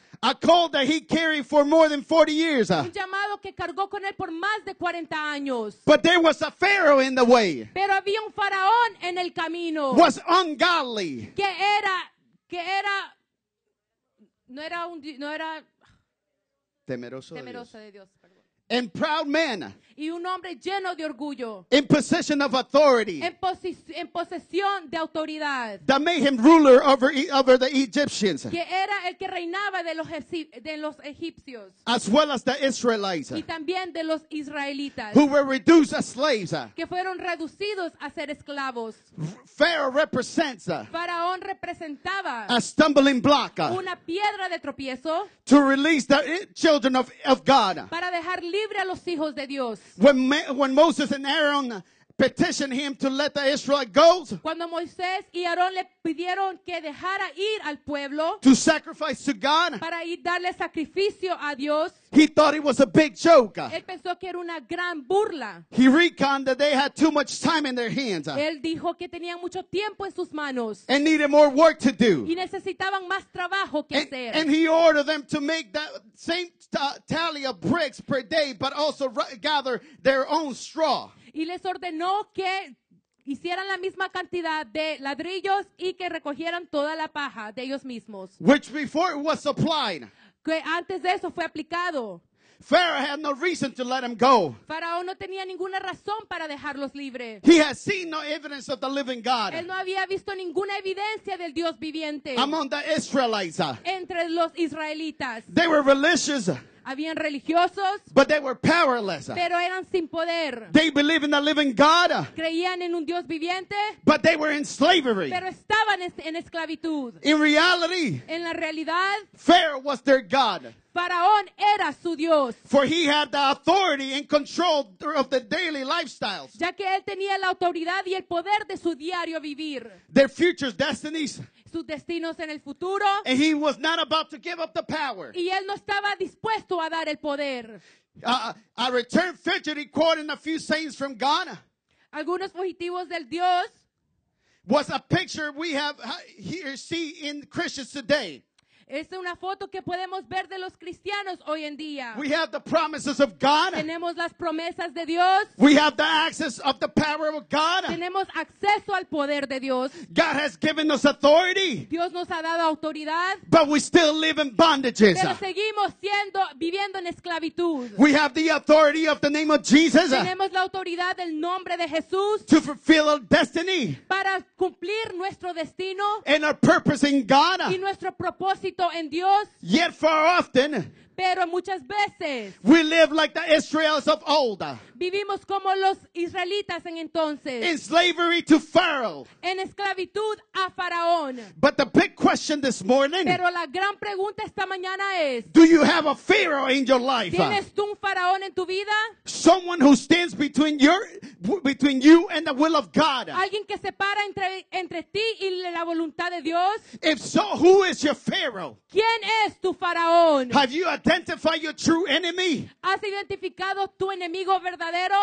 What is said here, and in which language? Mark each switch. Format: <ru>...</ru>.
<en>A call that he carried for more than 40 years.</en> <es>Un llamado que cargó con él por más de 40 años.</es> <en>But there was a Pharaoh in the way.</en> <es>Pero había un faraón en el camino.</es> <en>Was ungodly.</en> <es>Que era no era temeroso de Dios.</es> <en>And proud man.</en> <es>Y un hombre lleno de orgullo.</es> <en>In possession of authority.</en> <es>En posesión de autoridad.</es> <en>That made him ruler over the Egyptians.</en> <es>Que era el que reinaba de los egipcios.</es> <en>As well as the Israelites.</en> <es>Y también de los israelitas.</es> <en>Who were reduced as slaves.</en> <es>Que fueron reducidos a ser esclavos.</es> <en>Pharaoh represents.</en> <es>Faraón representaba.</es> <en>A stumbling block.</en> <es>Una piedra de tropiezo.</es> <en>To release the children of God.</en> <es>Para dejar libre a los hijos de Dios.</es> <en>When Moses and Aaron petitioned him to let the Israelite go,</en> <es>cuando Moisés y Aarón le pidieron que dejara ir al pueblo,</es> <en>to sacrifice to God,</en> <es>para ir darle sacrificio a Dios,</es> <en>he thought it was a big joke.</en> <es>Él pensó que era una gran burla.</es> <en>He reckoned that they had too much time in their hands.</en> <es>Él dijo que tenían mucho tiempo en sus manos.</es> <en>And needed more work to do.</en> <es>Y necesitaban más trabajo que hacer.</es> <en>And he ordered them to make that same tally of bricks per day, but also gather their own straw.</en> <es>Y les ordenó que hicieran la misma cantidad de ladrillos y que recogieran toda la paja de ellos mismos.</es> <en>Which before it was supplied.</en> <es>Que antes de eso fue aplicado.</es> <en>Pharaoh had no reason to let him go.</en> <es>Faraón no tenía ninguna razón para dejarlos libres.</es> <en>He had seen no evidence of the living God.</en> <es>Él no había visto ninguna evidencia del Dios viviente.</es> <en>Among the Israelites.</en> <es>Entre los israelitas.</es> <en>They were religious.</en> <es>Habían religiosos,</es> <en>but they were powerless.</en> <es>Pero eran sin poder.</es> <en>They believed in the living God,</en> <es>creían en un Dios viviente,</es> <en>but they were in slavery.</en> <es>Pero estaban en esclavitud.</es> <en>In reality,</en> <es>en la realidad,</es> <en>Pharaoh was their God.</en> <es>Faraón era su Dios.</es> <en>For he had the authority and control of the daily lifestyles.</en> <es>Ya que él tenía la autoridad y el poder de su diario vivir.</es> <en>Their future destinies.</en> <es>Sus destinos en el futuro.</es> <en>And he was not about to give up the power.</en> <es>Y él no estaba dispuesto a dar el poder.</es> <en>I returned fugitive, quoting a few saints from Ghana.</en> <es>Algunos fugitivos del Dios.</es> <en>Was a picture we have here see in Christians today.</en> <es>Es una foto que podemos ver de los cristianos hoy en día.</es> <en>We have the promises of God.</en> <es>Tenemos las promesas de Dios.</es> <en>We have the access of the power of God.</en> <es>Tenemos acceso al poder de Dios.</es> <en>God has given us authority.</en> <es>Dios nos ha dado autoridad.</es> <en>But we still live in bondages.</en> <es>Pero seguimos viviendo en esclavitud.</es> <en>We have the authority of the name of Jesus.</en> <es>Tenemos la autoridad del nombre de Jesús.</es> <en>To fulfill our destiny.</en> <es>Para cumplir nuestro destino.</es> <en>And our purpose in God.</en> <es>Y nuestro propósito. En Dios,</es> <en>yet far often,</en> <es>pero muchas veces,</es> <en>we live like the Israelites of old.</en> <es>Vivimos como los israelitas en entonces.</es> <en>In slavery to Pharaoh.</en> <es>En esclavitud a Faraón.</es> <en>But the big question this morning.</en> <es>Pero la gran pregunta esta mañana es.</es> <en>Do you have a Pharaoh in your life?</en> <es>¿Tienes tú un faraón en tu vida?</es> <en>Someone who stands between you and the will of God.</en> <es>Alguien que se para entre ti y la voluntad de Dios.</es> <en>If so, who is your Pharaoh?</en> <es>¿Quién es tu faraón?</es> <en>Have you identified your true enemy?</en> <es>¿Has identificado tu enemigo verdadero?</es>